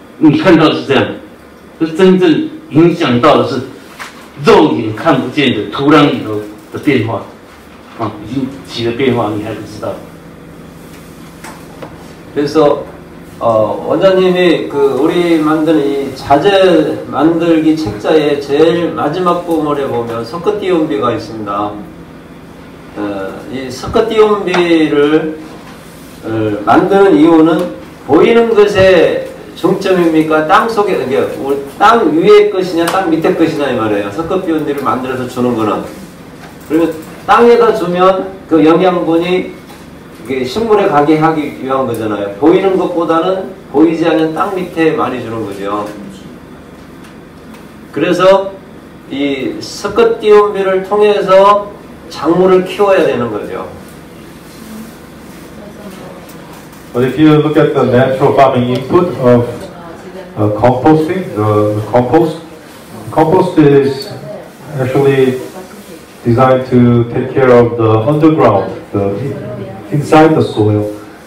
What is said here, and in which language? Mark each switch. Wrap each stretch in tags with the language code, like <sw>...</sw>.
<zh>所想到所看到的都是在外观上，在外表上看到的，他的问题。可是大家都忽略眼睛看不见的那一个部分，就是在土壤里头的微生物，你把它环境给破坏掉了。虽然啊，看起来苹果是没有虫来咬，然后没有虫来吃，然后你看到是这样，可是真正。影响到的是肉眼看不见的土壤里头的变化，啊，已经起了变化，你还不知道。</zh> <ko>그래서 원장님이 그 우리 만든 이 자재 만들기 책자의 제일 마지막 부분에 보면 석가띠온비가 있습니다. 이 석가띠온비를 만드는 이유는 보이는 것에 중점입니까? 땅 속에, 땅 위에 것이냐, 땅 밑에 것이냐, 이 말이에요. 석급비온들을 만들어서 주는 거는. 그러면 땅에다 주면 그 영양분이 이게 식물에 가게 하기 위한 거잖아요. 보이는 것보다는 보이지 않는 땅 밑에 많이 주는 거죠. 그래서 이 석급비온비를 통해서 작물을 키워야 되는 거죠.</ko> <en>But if you look at the natural farming input of composting, the compost is actually designed to take care of the underground, the inside the soil.</en>